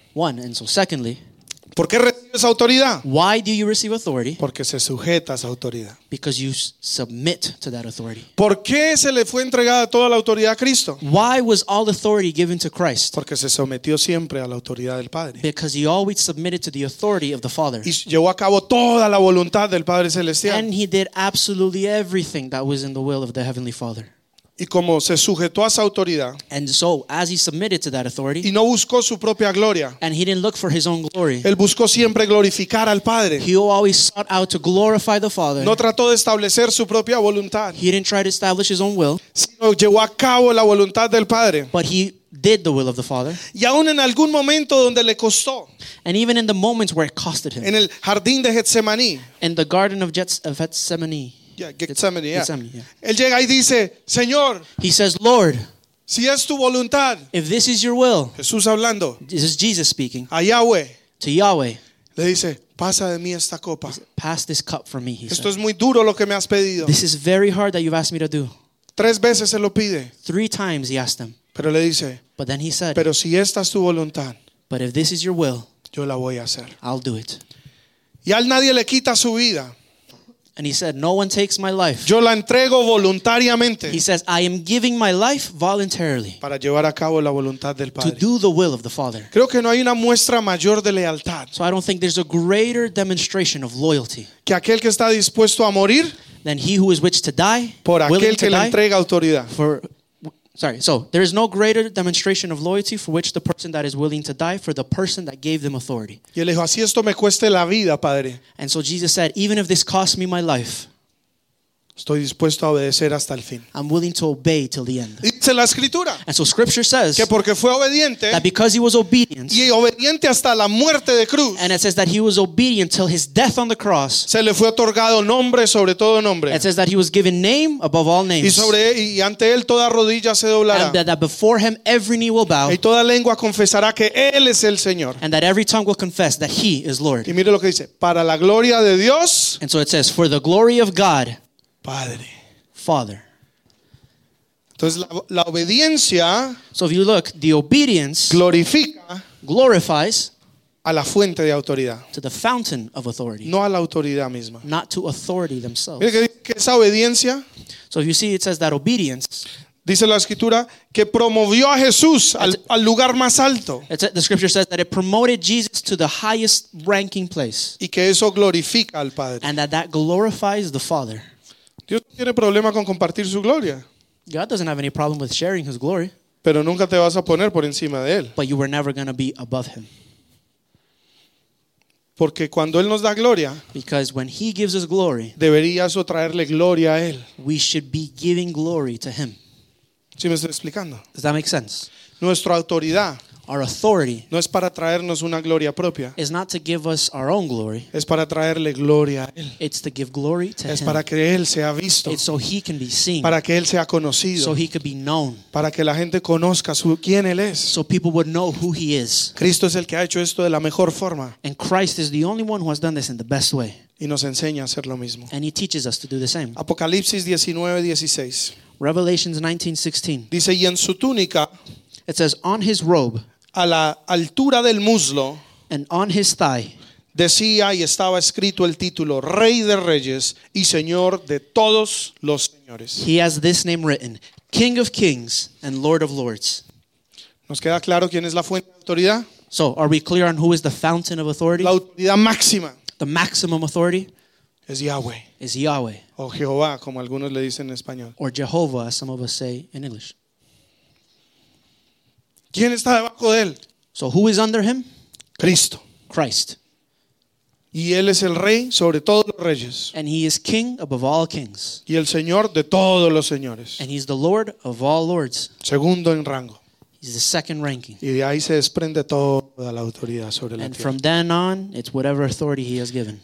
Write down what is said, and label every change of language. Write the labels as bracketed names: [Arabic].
[English] One. And so secondly. [Spanish] ¿Por qué recibes autoridad? [English] Why do you receive authority? [Spanish] Porque se sujeta a esa autoridad. [English] Because you submit to that authority. [Spanish] ¿Por qué se le fue entregada toda la autoridad a Cristo? [English] Why was all authority given to Christ? [Spanish] Porque se sometió siempre a la autoridad del Padre. [English] Because he always submitted to the authority of the Father. [Spanish] Y llevó a cabo toda la voluntad del Padre Celestial. [English] And he did absolutely everything that was in the will of the Heavenly Father. [Spanish] Y como se sujetó a esa autoridad, [English] and so, as he submitted to that authority, [Spanish] y no buscó su propia gloria, [English] and he didn't look for his own glory, [Spanish] él buscó siempre glorificar al Padre. [English] He always sought out to glorify the Father. [Spanish] No trató de establecer su propia voluntad. [English] He didn't try to establish his own will, [Spanish] sino llevó a cabo la voluntad del Padre. [English] But he did the will of the Father. [Spanish] Y aún en algún momento donde le costó, [English] and even in the moments where it costed him, [Spanish] en el jardín de Getsemaní, [English] in the garden of Getsemaní. [Spanish] Yeah, Gethsemane. Él llega y dice, Señor. [English] He says, Lord. [Spanish] Si es tu voluntad. [English] If this is your will. [Spanish] Jesús hablando. [English] This is Jesus speaking. [Spanish] A Yahweh. [English] To Yahweh. [Spanish] Le dice, pasa de mí esta copa. [English] Pass this cup for me. He [Spanish] esto said. Es muy duro lo que me has pedido. [English] This is very hard that you've asked me to do. [Spanish] Tres veces se lo pide. [English] Three times he asked him. [Spanish] Pero le dice. [English] But then he said. [Spanish] Pero si esta es tu voluntad. [English] But if this is your will. [Spanish] Yo la voy a hacer. [English] I'll do it. [Spanish] Y al nadie le quita su vida. [English] And he said, no one takes my life. [Spanish] Yo la entrego voluntariamente. [English] He says, I am giving my life voluntarily. [Spanish] Para llevar a cabo la voluntad del Padre. [English] To do the will of the Father. [Spanish] Creo que no hay una muestra mayor de lealtad. [English] So I don't think there's a greater demonstration of loyalty. [Spanish] Que aquel que está dispuesto a morir. [English] Than he who is which to die. [Spanish] Por aquel [English] willing [Spanish] que [English] to [Spanish] le [English] die, [Spanish] entrega autoridad. [English] So there is no greater demonstration of loyalty for which the person that is willing to die for the person that gave them authority. [Spanish] Y él dijo, así esto me cueste la vida, Padre. [English] And so Jesus said, even if this costs me my life, [Spanish] estoy dispuesto a obedecer hasta el fin. [English] I'm willing to obey till the end. [Spanish] Dice la escritura. [English] And so scripture says [Spanish] que porque fue obediente, [English] that because he was obedient, [Spanish] y obediente hasta la muerte de cruz, [English] and it says that he was obedient till his death on the cross, [Spanish] se le fue otorgado nombre sobre todo nombre. [English] It says that he was given name above all names. [Spanish] Y sobre y ante él toda rodilla se doblará. [English] And that before him every knee will bow. [Spanish] Y toda lengua confesará que él es el Señor. [English] And that every tongue will confess that he is Lord. [Spanish] Y mire lo que dice, para la gloria de Dios. [English] And so it says, for the glory of God. [Spanish] Padre. [English] Father. [Spanish] Entonces la obediencia. [English] So if you look, the obedience [Spanish] glorifica, [English] glorifies [Spanish] a la fuente de autoridad. [English] To the fountain of authority. [Spanish] No a la autoridad misma. [English] Not to authority themselves. [Spanish] Mira que esa obediencia. [English] So if you see, it says that obedience. [Spanish] Dice la escritura que promovió a Jesús al lugar más alto. [English] The scripture says that it promoted Jesus to the highest ranking place. [Spanish] Y que eso glorifica al Padre. [English] And that glorifies the Father. [Spanish] Dios no tiene problema con compartir su gloria. [English] God doesn't have any problem with sharing his glory. [Spanish] Pero nunca te vas a poner por encima de él. [English] But you were never going to be above him. [Spanish] Porque cuando él nos da gloria, [English] because when he gives us glory, [Spanish] debería eso traerle gloria a él. [English] We should be giving glory to him. [Spanish] ¿Sí me estoy explicando? [English] Does that make sense? [Spanish] Nuestra autoridad, [English] our authority. [Spanish] No es para traernos una gloria propia. [English] It's not to give us our own glory. [Spanish] Es para traerle gloria a él. [English] It's to give glory to him. [Spanish] Es para que él sea visto. [English] It's so he can be seen. [Spanish] Para que él sea conocido. [English] So he could be known. [Spanish] Para que la gente conozca su, quién él es. [English] So people would know who he is. [Spanish] Cristo es el que ha hecho esto de la mejor forma. [English] And Christ is the only one who has done this in the best way. [Spanish] Y nos enseña a hacer lo mismo. [English] And he teaches us to do the same. [Spanish] Apocalipsis 19:16. [English] Revelation 19:16. [Spanish] Dice, y en su túnica, [English] it says, on his robe, [Spanish] a la altura del muslo, [English] and on his thigh, [Spanish] decía y estaba escrito el título, Rey de Reyes y Señor de todos los señores. [English] He has this name written, King of Kings and Lord of Lords. [Spanish] ¿Nos queda claro quién es la fuente de autoridad? [English] So, are we clear on who is the fountain of authority? [Spanish] La autoridad máxima. [English] The maximum authority is Yahweh. Is Yahweh. [Spanish] O Jehová, como algunos le dicen en español. [English] Or Jehovah, as some of us say in English. [Spanish] ¿Quién está debajo de él? [English] So who is under him? [Spanish] Cristo. [English] Christ. [Spanish] Y él es el rey sobre todos los reyes. [English] And he is king above all kings. [Spanish] Y el señor de todos los señores. [English] And he's the lord of all lords. [Spanish] Segundo en rango. [English] He's the second ranking. [Spanish] Y de ahí se desprende toda la autoridad sobre la tierra. [English] And from then on, it's whatever authority he has given.